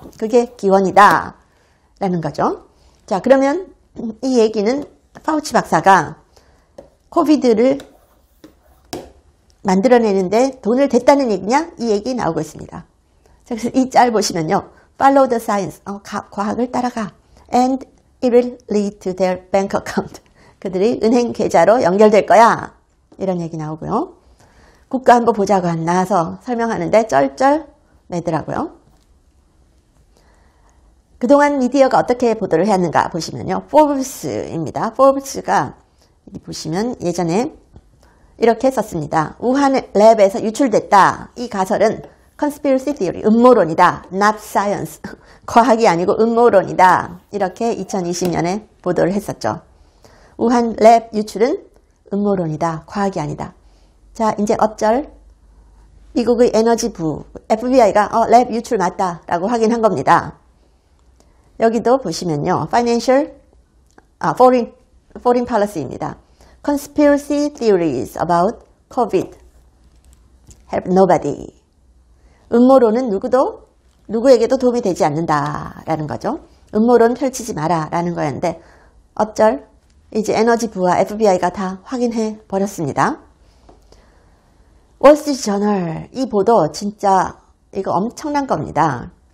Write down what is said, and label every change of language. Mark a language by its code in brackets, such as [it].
[ko] 그게 기원이다. 라는 거죠. 자, 그러면 이 얘기는 파우치 박사가 코비드를 만들어내는데 돈을 댔다는 얘기냐? 이 얘기 나오고 있습니다. 자, 그래서 이짤 보시면요. [en] Follow the science. [ko] 과학을 따라가. [en] And it will lead to their bank account. [ko] 그들이 은행 계좌로 연결될 거야. 이런 얘기 나오고요. 국가안보보좌관 나와서 설명하는데 쩔쩔매더라고요. 그동안 미디어가 어떻게 보도를 했는가 보시면요. 포브스입니다. 포브스가 보시면 예전에 이렇게 썼습니다. 우한 랩에서 유출됐다. 이 가설은 conspiracy theory, 음모론이다. [en] Not science. [ko] 과학이 아니고 음모론이다. 이렇게 2020년에 보도를 했었죠. 우한 랩 유출은 음모론이다. 과학이 아니다. 자, 이제 어쩔? 미국의 에너지부, FBI가 랩 유출 맞다라고 확인한 겁니다. 여기도 보시면요. Foreign Policy입니다. [en] Conspiracy theories about COVID help nobody. [ko] 음모론은 누구에게도 도움이 되지 않는다라는 거죠. 음모론 펼치지 마라라는 거였는데, 어쩔? 이제 에너지부와 FBI가 다 확인해 버렸습니다. 월스트리트저널 이 보도 진짜 이거 엄청난 겁니다.